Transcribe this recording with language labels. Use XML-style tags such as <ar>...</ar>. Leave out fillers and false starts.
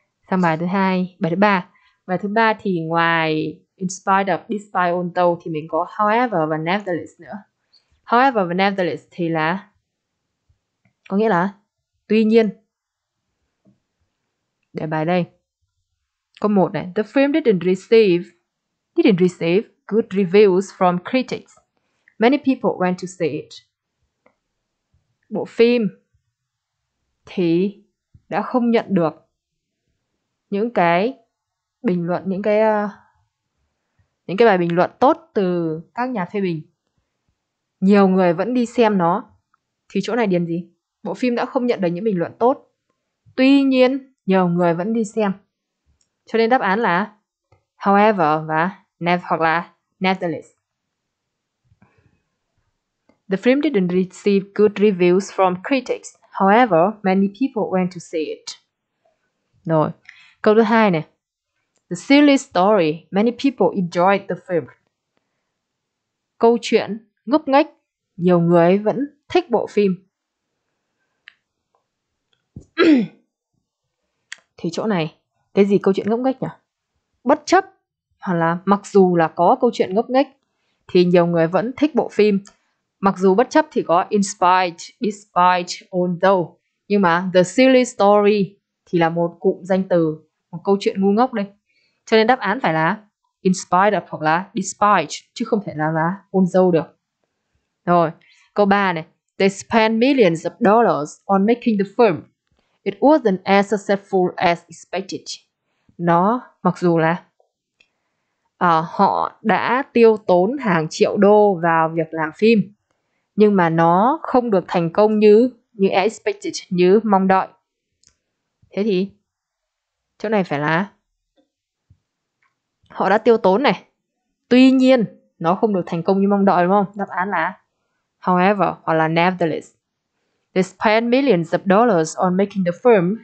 <vi>Sang bài thứ hai, bài thứ ba. Bài thứ ba thì ngoài in spite of, despite, although thì mình có however và nevertheless nữa. However và nevertheless thì là có nghĩa là tuy nhiên. Để bài đây. Câu 1 này.</vi> <en>The film didn't receive good reviews from critics. Many people went to see it.</en> <vi>Bộ phim thì đã không nhận được những cái bình luận, những cái bài bình luận tốt từ các nhà phê bình, nhiều người vẫn đi xem nó, thì chỗ này điền gì? Bộ phim đã không nhận được những bình luận tốt, tuy nhiên nhiều người vẫn đi xem. Cho nên đáp án là however và never hoặc là nevertheless.</vi> <en>The film didn't receive good reviews from critics. However, many people went to see it.</en> <vi>Rồi, câu thứ hai này.</vi> <en>The silly story, many people enjoyed the film.</en> <vi>Câu chuyện ngốc nghếch, nhiều người vẫn thích bộ phim. Thì chỗ này, cái gì câu chuyện ngốc nghếch nhỉ? Bất chấp hoặc là mặc dù là có câu chuyện ngốc nghếch thì nhiều người vẫn thích bộ phim. Mặc dù bất chấp thì có despite, although. Nhưng mà</vi> <en>the silly story</en> <vi>thì là một cụm danh từ, một câu chuyện ngu ngốc đây. Cho nên đáp án phải là inspired hoặc là despite, chứ không thể là although được. Rồi, câu 3 này.</vi> <en>They spent millions of dollars on making the film. It wasn't as successful as expected.</en> <vi>Nó, mặc dù là họ đã tiêu tốn hàng triệu đô vào việc làm phim, nhưng mà nó không được thành công như như expected, như mong đợi. Thế thì chỗ này phải là họ đã tiêu tốn này, tuy nhiên nó không được thành công như mong đợi, đúng không? Đáp án là however hoặc là nevertheless.</vi> <en>They spent millions of dollars on making the film.</en>